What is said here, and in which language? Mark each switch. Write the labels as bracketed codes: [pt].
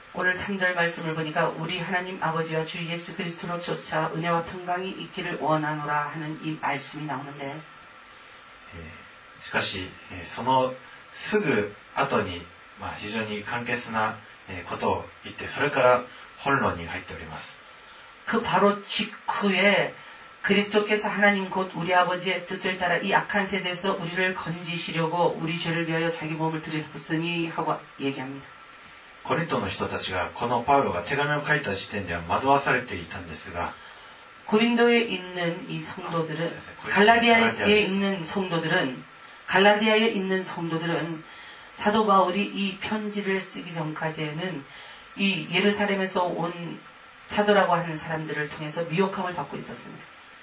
[ko] 오늘3절말씀을보니까우리하나님아버지와주예수그리스도로조차은혜와평강이있기를원하노라하는이말씀이나오는데 [ja] しかしそのすぐ後に非常に簡潔なことを言ってそれから本論に入っております。 [ko] 그바로직후에그리스도께서하나님곧우리아버지의뜻을따라이악한세대에서우리를건지시려고우리죄를위하여자기몸을드렸었으니하고얘기합니다 [ja] コリントの人たちがこのパウロが手紙を書いた時点では惑わされていたんですが、 [ko] コリントへ있는이성도들은갈라디아에있는성도들은갈라디아에있는성도들은사도바울이이편지를쓰기전까지에는이예루살렘에서온사도라고하는사람들을통해서미혹함을받고있었습니다